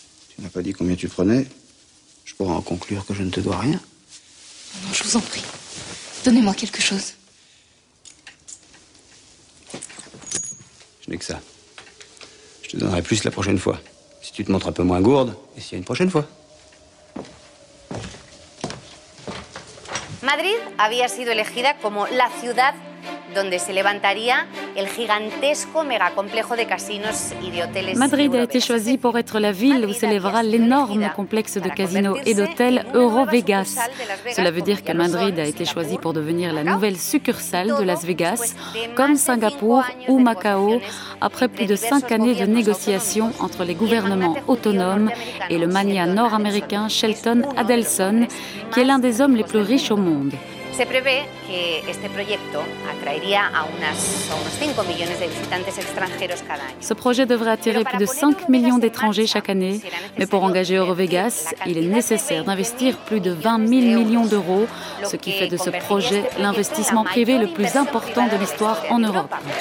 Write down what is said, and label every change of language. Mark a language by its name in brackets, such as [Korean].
[French] Tu n'as pas dit combien tu prenais. Je pourrais en conclure que je ne te dois rien. Non, je vous en prie. Donnez-moi quelque chose. Je n'ai que ça. Je te donnerai plus la prochaine fois. Si tu te montres un peu moins gourde, et s'il y a une prochaine fois. [Spanish] Madrid había sido elegida como la ciudad donde se levantaría el gigantesco megacomplejo de casinos y de hoteles. [French] Madrid a été choisie pour être la ville où s'élèvera l'énorme complexe de casinos et d'hôtels Eurovegas. Cela veut dire que Madrid a été choisie pour devenir la nouvelle succursale de Las Vegas, comme Singapour ou Macao, après plus de 5 années de négociations entre les gouvernements autonomes et le magnat nord-américain Shelton Adelson, qui est l'un des hommes les plus riches au monde. [Spanish] Se prevé que este proyecto atraería a unos 5 millones de visitantes extranjeros cada año. [French] Ce projet devrait attirer plus de 5 millions d'étrangers chaque année, mais pour engager Eurovegas, il est nécessaire d'investir plus de 20 000 millions d'euros, ce qui fait de ce projet l'investissement privé le plus important de l'histoire en Europe.